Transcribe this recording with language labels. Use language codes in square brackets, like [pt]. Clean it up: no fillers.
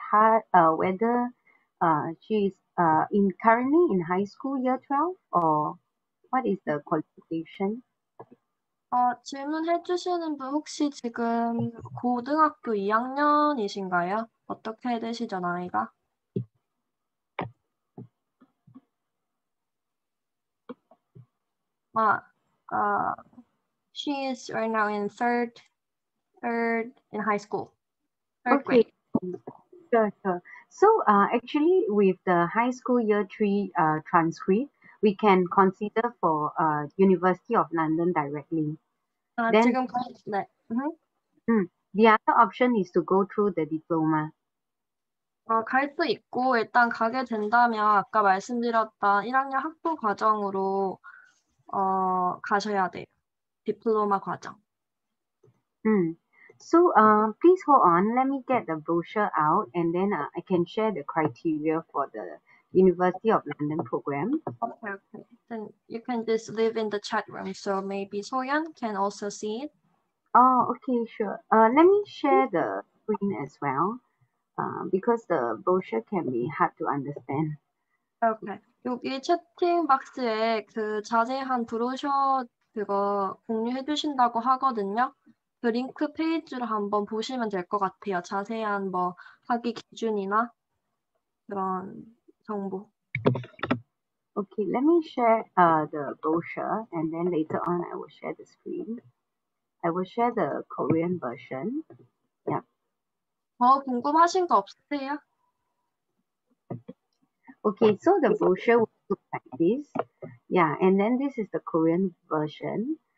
[en] Ha whether she's currently in high school year 12 or what is the qualification? [ko] 질문해 주시는 분 혹시 지금 고등학교 2학년이신가요? 어떻게 되시죠, 나이가? [en] 아, she is right now in third in high school. Third okay. grade. Sure, sure. So, actually with the high school year 3 transcript, we can consider for University of London directly. Then, [ko] 지금 네. Mm-hmm. [en] The other option is to go through the diploma. [ko] 갈 수 있고 일단 가게 된다면 아까 말씀드렸던 1학년 학부 과정으로 가셔야 돼요. 디플로마 과정. [en] So please hold on. Let me get the brochure out and then I can share the criteria for the University of London program. Okay, okay. Then you can just leave in the chat room so maybe Soyeon can also see it. Oh, okay, sure. Let me share the screen as well. Because the brochure can be hard to understand. Okay. [ko] 여기 채팅 박스에 그 자세한 브로셔 그거 공유해 주신다고 하거든요. 그 링크 페이지를 한번 보시면 될 것 같아요. 자세한 뭐 학위 기준이나 그런 정보. [en] Okay. Let me share the brochure and then later on I will share the screen. I will share the Korean version. Yeah. [ko] 궁금하신 거 없으세요? [en] Okay, so the brochure will look like this. Yeah, and then this is the Korean version.